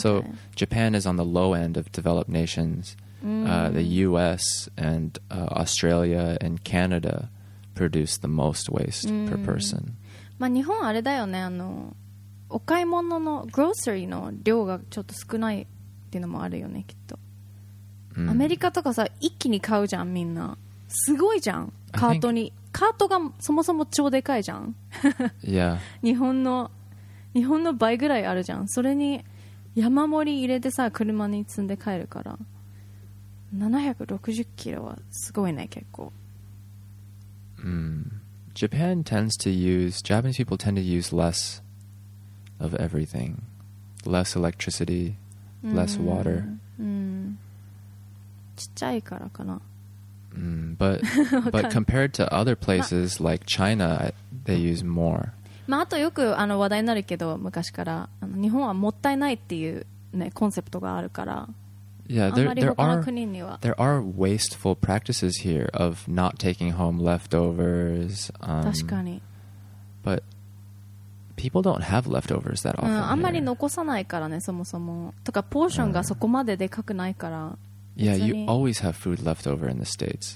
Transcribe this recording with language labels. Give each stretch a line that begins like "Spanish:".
English: So Japan is on the low end of developed nations. The US and Australia and Canada produce the most waste per person.
Japanese: まあ、日本あれだよね、あのお買い物のグロッサリーの量がちょっと少ないっていうのもあるよねきっと、うん、アメリカとかさ一気に買うじゃんみんな、すごいじゃんカートに、カートがそもそも超でかいじゃん
English: yeah.
Japanese: 日本の倍ぐらいあるじゃん、それに山盛り入れてさ車に積んで帰るから760キロはすごいね結構、
English: mm. Japan tends to use Japanese people tend to use less of everything, less electricity, less water、
Japanese: mm. ちっちゃいからかな、 mm.
English: but compared to other places like China they use more
Japanese: まあ、あとよくあの話題になるけど昔からあの日本はもったいないっていう、ね、コンセプトがあるから、
English: yeah, there,
Japanese: あまり他の国には
English: there are wasteful practices here of not taking home leftovers、
Japanese: 確かに
English: but people don't have leftovers that often、
Japanese: あんまり残さないからねそもそもとかポーションがそこまででかくないから、
English: yeah, you always have food left over in the States